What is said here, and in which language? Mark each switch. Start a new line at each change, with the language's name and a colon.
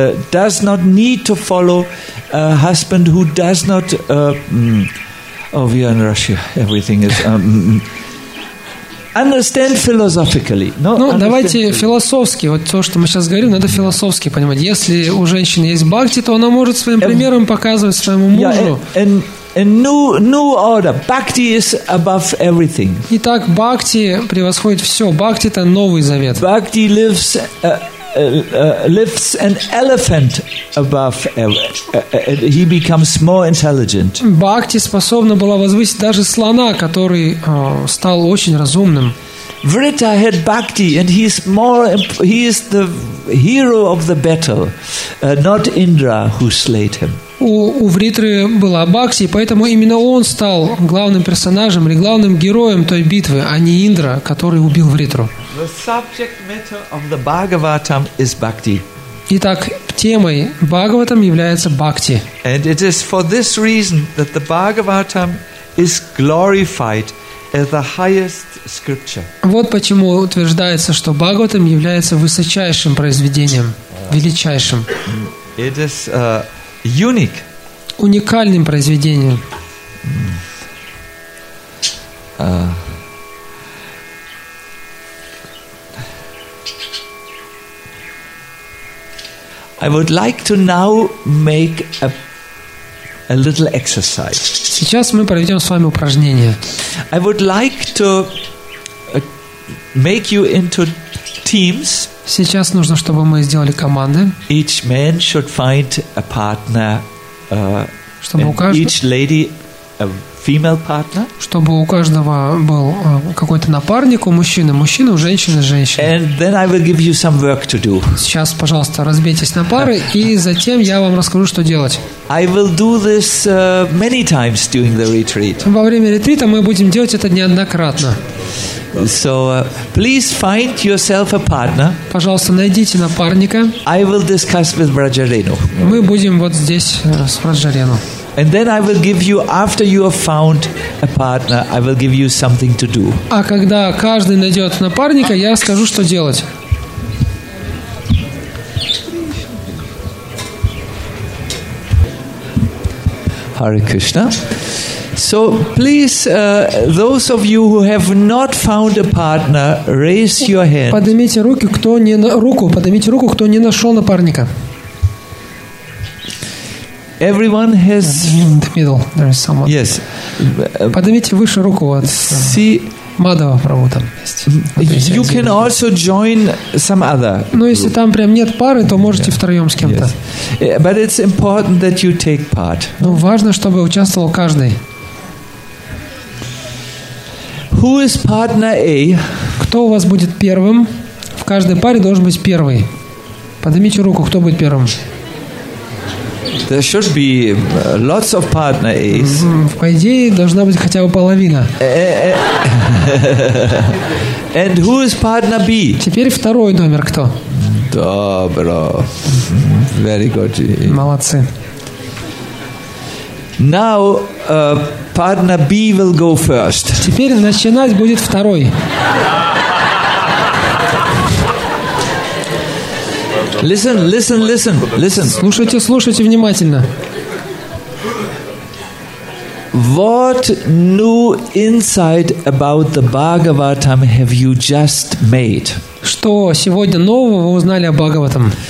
English: Does not need to follow a husband who does not. We are in Russia. Everything is understand philosophically.
Russian: Давайте философски. Вот то, что мы сейчас говорим, надо философски понимать. Если у женщины есть бхакти, то она может своим примером показывать своему мужу.
English: A new order. Bhakti is above everything.
Russian: Итак, бхакти превосходит все. Бхакти — это новый завет.
English: Bhakti lives. Lifts an elephant above. He becomes more intelligent.
Russian: Бхакти способна была возвысить даже слона, который стал очень разумным.
English: Vritta had bhakti, and he is the hero of the battle, not Indra who slayed him.
Russian: У Вритры была бхакти, поэтому именно он стал главным персонажем или главным героем той битвы, а не Индра, который убил Вритру.
English: The subject matter of the Bhagavatam is bhakti.
Russian: Итак, темой Бхагаватам является бхакти.
English: And it is for this reason that the Bhagavatam is glorified as the highest scripture.
Russian: Вот почему утверждается, что Бхагаватам является высочайшим произведением, величайшим.
English: It is unique.
Russian: Уникальным произведением.
English: I would like to now make a little exercise.
Russian: Сейчас мы проведем с вами упражнение.
English: I would like to make you into teams.
Russian: Сейчас нужно, чтобы мы сделали команды.
English: Each man should find a partner.
Russian: Чтобы у каждого.
English: Each lady a female partner.
Russian: Чтобы у каждого был какой-то напарник, у мужчины, мужчина, у женщины, женщина.
English: And then I will give you some work to do.
Russian: Сейчас, пожалуйста, разбейтесь на пары, и затем я вам расскажу, что делать.
English: I will do this many times during the retreat.
Russian: Во время ретрита мы будем делать это неоднократно.
English: So, please find yourself a partner.
Russian: Пожалуйста, найдите напарника.
English: I will discuss with Vrajarenu.
Russian: Мы будем вот здесь с Vrajarenu.
English: And then I will give you, after you have found a partner, I will give you something to do.
Russian: А когда каждый найдет напарника, я скажу, что делать.
English: Hare Krishna. So please, those of you who have not found a partner, raise your hand.
Russian: Поднимите руки, кто не руку, поднимите руку, кто не нашел напарника.
English: Everyone has. In the middle, there is someone. Yes.
Russian: Поднимите выше руку вот.
English: See.
Russian: Мадава Прабу там есть.
English: You can also join some other.
Russian: Ну, если там прям нет пары, то можете втроем с кем-то.
English: But it's important that you take part.
Russian: Ну, важно, чтобы участвовал каждый.
English: Who is partner A?
Russian: Кто у вас будет первым? В каждой паре должен быть первый. Поднимите руку, кто будет первым?
English: There should be lots of partner A's.
Russian: По идее, должна быть хотя бы половина.
English: And who is partner B?
Russian: Теперь второй номер кто? Добро.
English: Very good.
Russian: Молодцы.
English: Now partner B will go first.
Russian: Теперь начинать будет второй.
English: Listen.
Russian: Слушайте, слушайте внимательно.
English: What new insight about the Bhagavatam have you just made?
Russian: Что сегодня нового вы узнали о Бхагаватам?